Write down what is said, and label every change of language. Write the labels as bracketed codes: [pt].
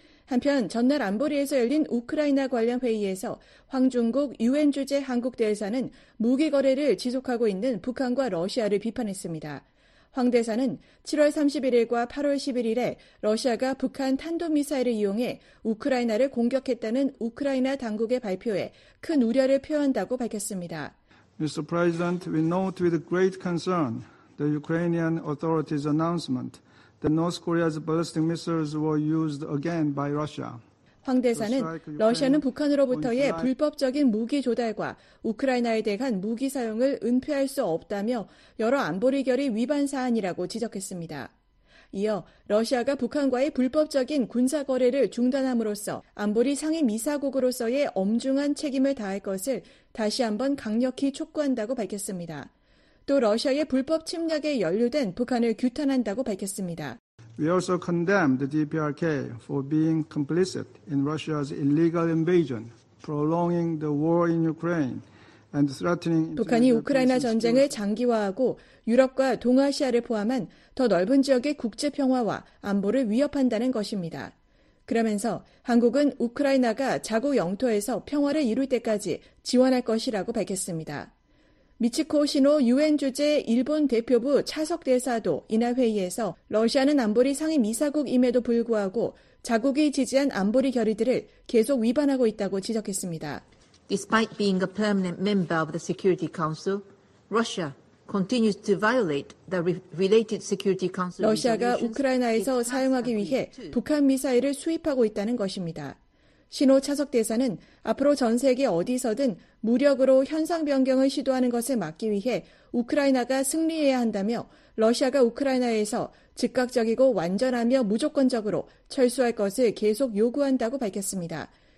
[ko] 한편 전날 안보리에서 열린 우크라이나 관련 회의에서 황중국 유엔 주재 한국 대사는 무기 거래를 지속하고 있는 북한과 러시아를 비판했습니다. 황 대사는 7월 31일과 8월 11일에 러시아가 북한 탄도미사일을 이용해 우크라이나를 공격했다는 우크라이나 당국의 발표에 큰 우려를 표한다고 밝혔습니다. [en] Mr. President, we note with great concern the Ukrainian authorities' announcement that North Korea's ballistic missiles were used again by Russia. [ko] 황 대사는 러시아는 북한으로부터의 불법적인 무기 조달과 우크라이나에 대한 무기 사용을 은폐할 수 없다며 여러 안보리 결의 위반 사안이라고 지적했습니다. 이어 러시아가 북한과의 불법적인 군사 거래를 중단함으로써 안보리 상임이사국으로서의 엄중한 책임을 다할 것을 다시 한번 강력히 촉구한다고 밝혔습니다. 또 러시아의 불법 침략에 연루된 북한을 규탄한다고 밝혔습니다. [en] We also condemn the DPRK for being complicit in Russia's illegal invasion, prolonging the war in Ukraine, and threatening. [ko] 북한이 우크라이나 전쟁을 장기화하고 유럽과 동아시아를 포함한 더 넓은 지역의 국제 평화와 안보를 위협한다는 것입니다. 그러면서 한국은 우크라이나가 자국 영토에서 평화를 이룰 때까지 지원할 것이라고 밝혔습니다. 미츠코 시노 유엔 주재 일본 대표부 차석 대사도 이날 회의에서 러시아는 안보리 상임이사국임에도 불구하고 자국이 지지한 안보리 결의들을 계속 위반하고 있다고 지적했습니다. [en] Despite being a permanent member of the Security Council, Russia continues to violate the related Security Council. [ko] 러시아가 우크라이나에서 사용하기 위해 북한 미사일을 수입하고 있다는 것입니다. 신호 차석 대사는 앞으로 전 세계 어디서든 무력으로 현상 변경을 시도하는 것을 막기 위해 우크라이나가 승리해야 한다며 러시아가 우크라이나에서 즉각적이고 완전하며 무조건적으로 철수할 것을 계속 요구한다고 밝혔습니다.